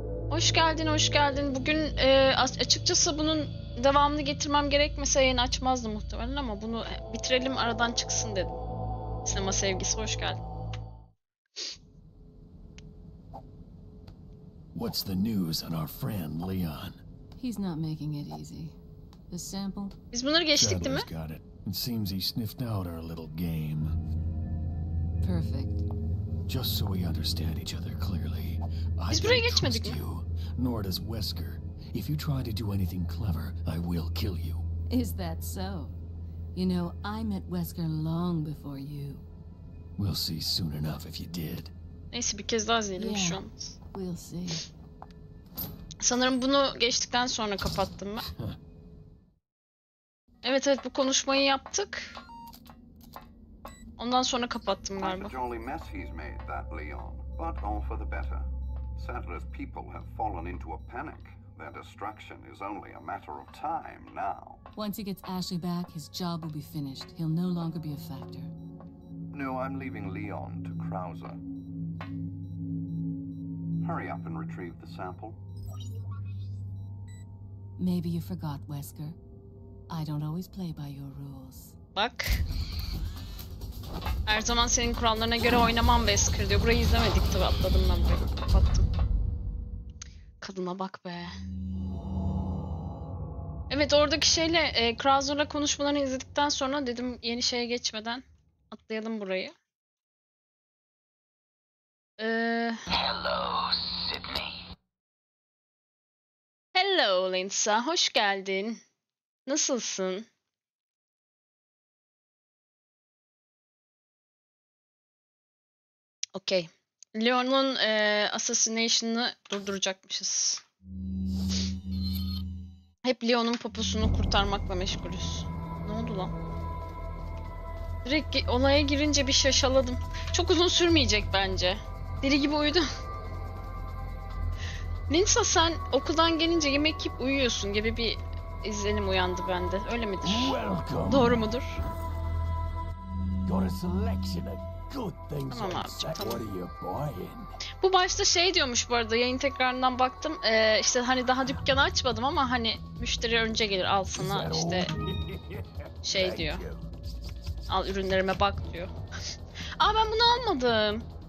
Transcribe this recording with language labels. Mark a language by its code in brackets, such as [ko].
[tr] Hoş geldin, hoş geldin. Bugün açıkçası bunun devamını getirmem gerekmese yayını açmazdı muhtemelen ama bunu bitirelim aradan çıksın dedim. Sinema sevgisi, hoş geldin. [en] What's the news on our friend Leon? He's not making it easy. The sample? [tr] Biz bunları geçtik değil mi? [en] Shadow's got it. It seems he sniffed out our little game. Perfect. Just so we understand each other clearly. [tr] Biz buraya geçmedik mi? [en] You, nor does Wesker. If you try to do anything clever, I will kill you. Is that so? You know, I met Wesker long before you. We'll see soon enough if you did. [tr] Neyse bir kez daha izleyelim [en] yeah. [tr] Şu an. [en] We'll see. [tr] Sanırım bunu geçtikten sonra kapattım ben. Evet evet bu konuşmayı yaptık. Ondan sonra kapattım galiba. [en] Quite a jolly mess he's made that Leon, but all for the better. Sadler's people have fallen into a panic. Their destruction is only a matter of time now. Once he gets Ashley back, his job will be finished. He'll no longer be a factor. No, I'm leaving Leon to Krauser. Hurry up and retrieve the sample. Maybe you forgot, Wesker. I don't always play by your rules. [tr] Bak. Her zaman senin kurallarına göre oynamam Wesker diyor. Burayı izlemedik tabii atladım ben burayı. Kapattım. Kadına bak be. Evet oradaki şeyle Krauser'la konuşmalarını izledikten sonra dedim yeni şeye geçmeden atlayalım burayı. [en] Hello Sydney. [tr] Hello Linsa, hoş geldin. Nasılsın? [en] Okay. [tr] Leon'un assassination'ı durduracakmışız. Hep Leon'un poposunu kurtarmakla meşgulüz. Ne oldu lan? Direkt olaya girince bir şaşaladım. Çok uzun sürmeyecek bence. Deli gibi uyudum. Linsa sen okuldan gelince yemek yiyip uyuyorsun gibi bir izlenim uyandı bende. Öyle midir? [en] Welcome. [tr] Doğru mudur? [en] Got a selection of good things. [tr] Tamam abicim, tamam. [en] What are you buying? [tr] Bu başta şey diyormuş bu arada yayın tekrarından baktım. İşte hani daha dükkanı açmadım ama hani müşteri önce gelir al sana işte şey diyor. Al ürünlerime bak diyor. Aa ben bunu almadım.